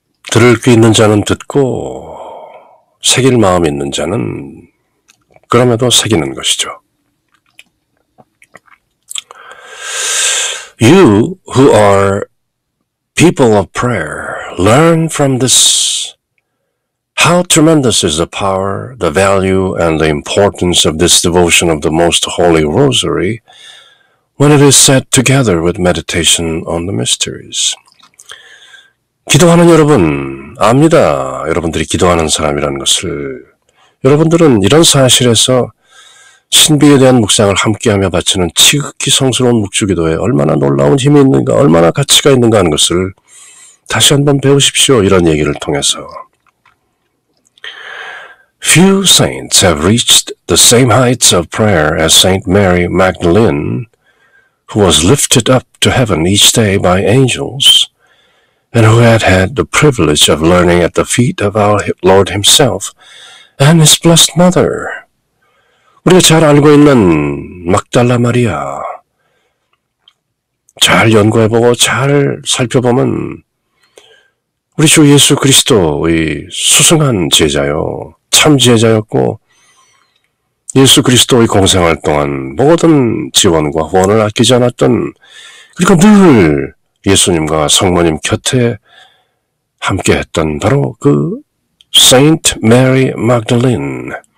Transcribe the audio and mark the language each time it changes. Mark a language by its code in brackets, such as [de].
[ko] 들을 귀 있는 자는 듣고 새길 마음 있는 자는 그럼에도 새기는 것이죠. [en] You who are people of prayer, learn from this how tremendous is the power, the value, and the importance of this devotion of the Most Holy Rosary when it is said together with meditation on the mysteries. [ko] 기도하는 여러분, 압니다. 여러분들이 기도하는 사람이라는 것을. 여러분들은 이런 사실에서 신비에 대한 묵상을 함께하며 바치는 지극히 성스러운 묵주기도에 얼마나 놀라운 힘이 있는가, 얼마나 가치가 있는가 하는 것을 다시 한번 배우십시오. 이런 얘기를 통해서. [en] Few saints have reached the same heights of prayer as Saint Mary Magdalene, who was lifted up to heaven each day by angels, and who had had the privilege of learning at the feet of our Lord himself and his blessed mother. [ko] 우리가 잘 알고 있는 막달라 마리아. 잘 연구해보고 잘 살펴보면 우리 주 예수 그리스도의 수승한 제자요. 참 제자였고 예수 그리스도의 공생활 동안 모든 지원과 후원을 아끼지 않았던 그리고 늘 예수님과 성모님 곁에 함께했던 바로 그 Saint Mary Magdalene.